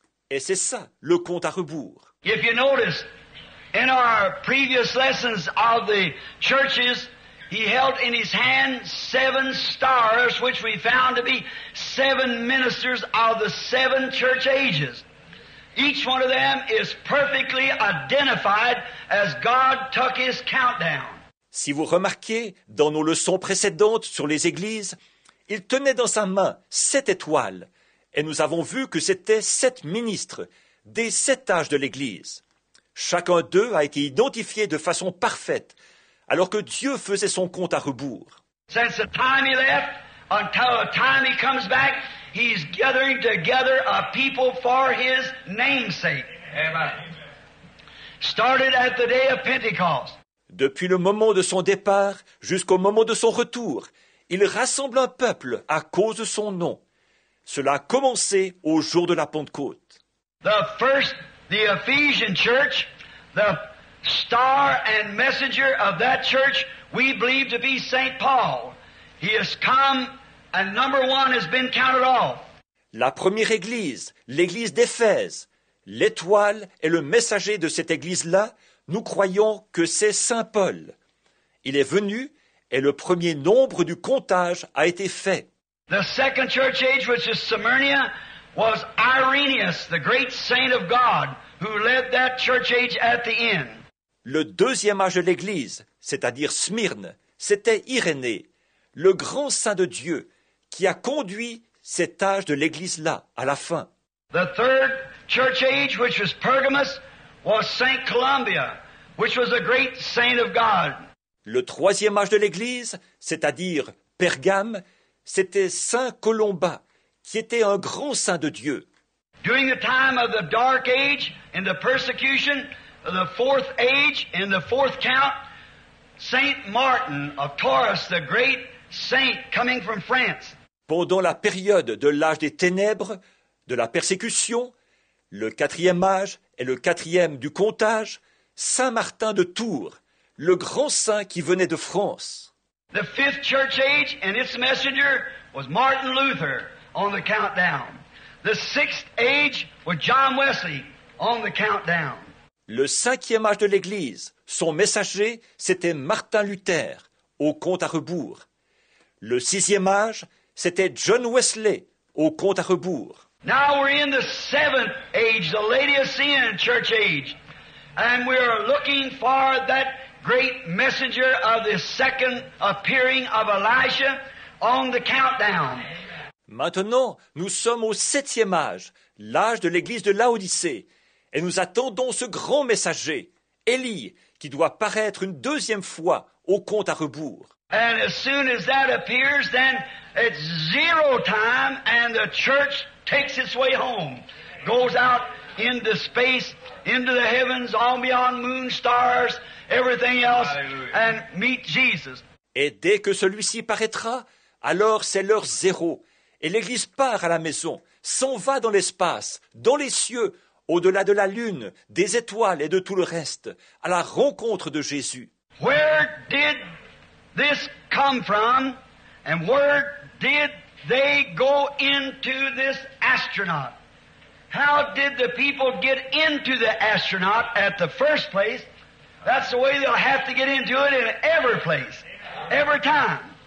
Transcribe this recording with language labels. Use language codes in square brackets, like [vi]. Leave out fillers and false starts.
[fr] Et c'est ça, le compte à rebours. [en] If you notice, in our previous lessons of the churches, he held in his hand seven stars, which we found to be seven ministers of the seven church ages. Each one of them is perfectly identified as God took his countdown. [fr] Si vous remarquez, dans nos leçons précédentes sur les églises, il tenait dans sa main sept étoiles, et nous avons vu que c'était sept ministres des sept âges de l'Église. Chacun d'eux a été identifié de façon parfaite, alors que Dieu faisait son compte à rebours. [en] Since the time he left, until the time he comes back, he's gathering together a people for his namesake. Amen. Started at the day of Pentecost. [fr] Depuis le moment de son départ jusqu'au moment de son retour, il rassemble un peuple à cause de son nom. Cela a commencé au jour de la Pentecôte. [en] The first, the Ephesian church, the star and messenger of that church, we believe to be Saint Paul. He has come and number one has been counted off. [fr] La première église, l'église d'Éphèse, l'étoile et le messager de cette église-là, nous croyons que c'est Saint Paul. Il est venu et le premier nombre du comptage a été fait. [en] The second church age, which is Smyrna, was Irenaeus, the great saint of God, who led that church age at the end. [fr] Le deuxième âge de l'Église, c'est-à-dire Smyrne, c'était Irénée, le grand saint de Dieu, qui a conduit cet âge de l'Église-là à la fin. [en] The third church age, which was Pergamos, was Saint Columba, which was a great saint of God. [fr] Le troisième âge de l'Église, c'est-à-dire Pergame, c'était Saint Columba, qui était un grand saint de Dieu. [en] During the time of the dark age and the persecution, the fourth age and the fourth count, Saint Martin of Tours, the great saint coming from France. [fr] Pendant la période de l'âge des ténèbres, de la persécution, le quatrième âge et le quatrième du comptage, Saint Martin de Tours, le grand saint qui venait de France. [en] The fifth church age and its messenger was Martin Luther on the countdown. The sixth age was John Wesley on the countdown. [fr] Le cinquième âge de l'Église, son messager, c'était Martin Luther, au compte à rebours. Le sixième âge, c'était John Wesley, au compte à rebours. [en] Now we're in the seventh age, the Laodicean church age, and we are looking for that great messenger of the second appearing of Elijah on the countdown. [fr] Maintenant, nous sommes au septième âge, l'âge de l'Église de Laodicée, et nous attendons ce grand messager, Élie, qui doit paraître une deuxième fois au compte à rebours. [en] And as soon as that appears, then it's zero time and the church takes its way home, goes out into space, into the heavens, on beyond moon, stars, everything else, and meet Jesus. [fr] Et dès que celui-ci paraîtra, alors c'est l'heure zéro, et l'Église part à la maison, s'en va dans l'espace, dans les cieux, au-delà de la lune, des étoiles et de tout le reste, à la rencontre de Jésus. [en] Where did this come from, and where did they go into this astronaut? How did the people get into the astronaut at the first place? That's the way they'll have to get into it in every place, every time.